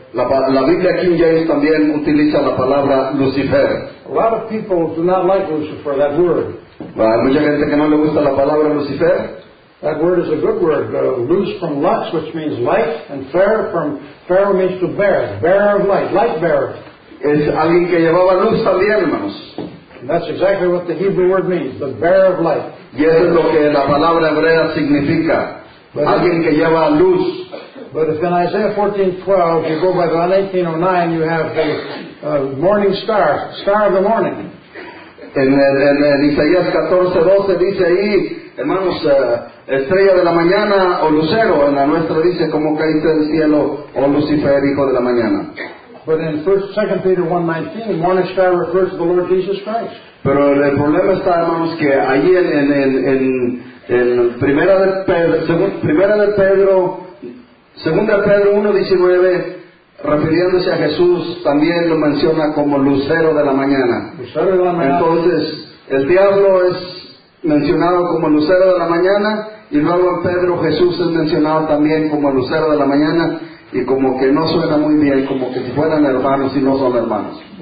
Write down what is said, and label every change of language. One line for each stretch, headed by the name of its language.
Spanish: La Biblia King James también utiliza la palabra Lucifer.
English: A lot of people do not like Lucifer, that word.
Spanish: Hay mucha gente que no le gusta la palabra Lucifer.
English: That word is a good word, loose from lux, which means light, and fair from fair means to bear, bearer of light, light bearer.
Spanish: Es alguien que llevaba luz también, hermanos.
English: And that's exactly what the Hebrew word means, the bearer of light.
Spanish: Y eso es lo que la palabra hebrea significa, alguien que lleva luz.
English: But if in Isaiah 14:12, you go by the 1909, you have the morning star, star of the morning.
Spanish: En Isaías 14:12 dice ahí, hermanos, estrella de la mañana o lucero, en la nuestra dice como caíste del cielo o Lucifer, hijo de la mañana.
English: But in 2 Peter 1:19, morning star refers to the Lord Jesus Christ.
Spanish: Pero el problema está, hermanos, que allí en Segunda de Pedro 1:19, refiriéndose a Jesús, también lo menciona como lucero de la mañana. Lucero de la mañana. Entonces, el diablo es mencionado como lucero de la mañana, y luego en Pedro Jesús es mencionado también como lucero de la mañana, y como que no suena muy bien, como que si fueran hermanos y no son hermanos.